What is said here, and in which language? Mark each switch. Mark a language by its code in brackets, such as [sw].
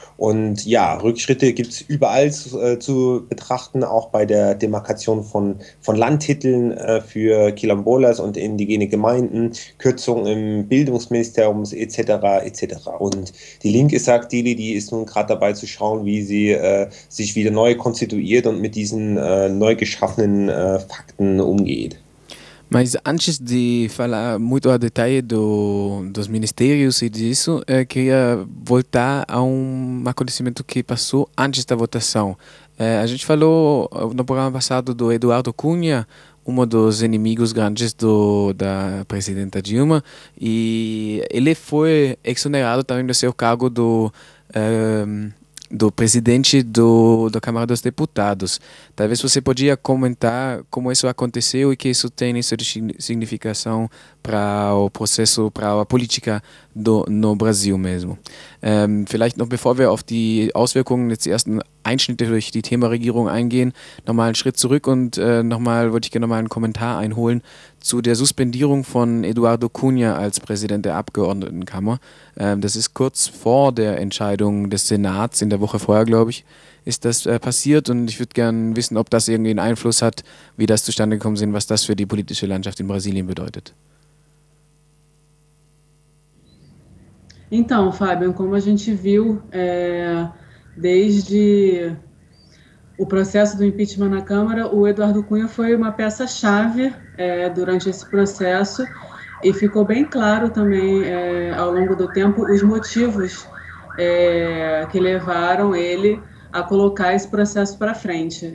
[de] Und ja, Rückschritte gibt es überall zu betrachten, auch bei der Demarkation von Landtiteln für Quilombolas und indigene Gemeinden, Kürzungen im Bildungsministerium etc. etc. Und die Linke sagt, die ist nun gerade dabei zu schauen, wie sie sich wieder neu konstituiert und mit diesen neu geschaffenen Fakten umgeht. [pt] Mas antes de falar muito a detalhe dos ministérios e disso, eu queria voltar a um acontecimento que passou antes da votação. A gente falou no programa passado do Eduardo Cunha, um dos inimigos grandes da presidenta Dilma, e ele foi exonerado também do seu cargo do presidente da Câmara dos Deputados. Talvez você podia comentar como isso aconteceu e que isso tem isso de significação para o processo, para a política no Brasil mesmo. [de] Vielleicht noch, bevor wir auf die Auswirkungen des ersten Einschnitte durch die Thema Regierung eingehen, nochmal einen Schritt zurück und nochmal würde ich gerne nochmal einen Kommentar einholen zu der Suspendierung von Eduardo Cunha als Präsident der Abgeordnetenkammer. Das ist kurz vor der Entscheidung des Senats, in der Woche vorher, glaube ich, ist das passiert, und ich würde gerne wissen, ob das irgendwie einen Einfluss hat, wie das zustande gekommen ist, was das für die politische Landschaft in Brasilien bedeutet. [pt] Então, Fábio, como a gente viu, desde O processo do impeachment na Câmara, o Eduardo Cunha foi uma peça-chave durante esse processo e ficou bem claro também ao longo do tempo os motivos que levaram ele a colocar esse processo para frente.